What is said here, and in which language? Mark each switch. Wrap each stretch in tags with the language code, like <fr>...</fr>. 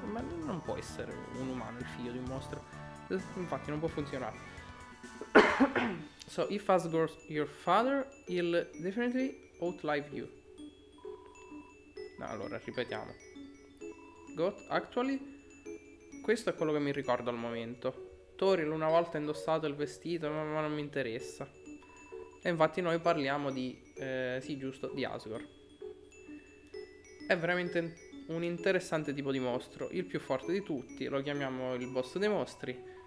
<it>Ma non può essere un umano il figlio di un mostro. Infatti non può funzionare.</it> <en>So, if Asgore's your father, he'll definitely outlive you.</en> <it>No, allora, ripetiamo. Got, actually, questo è quello che mi ricordo al momento. Toril una volta indossato il vestito, ma non mi interessa. E infatti noi parliamo di, sì giusto, di Asgore. È veramente un interessante tipo di mostro, il più forte di tutti, lo chiamiamo il boss dei mostri.</it>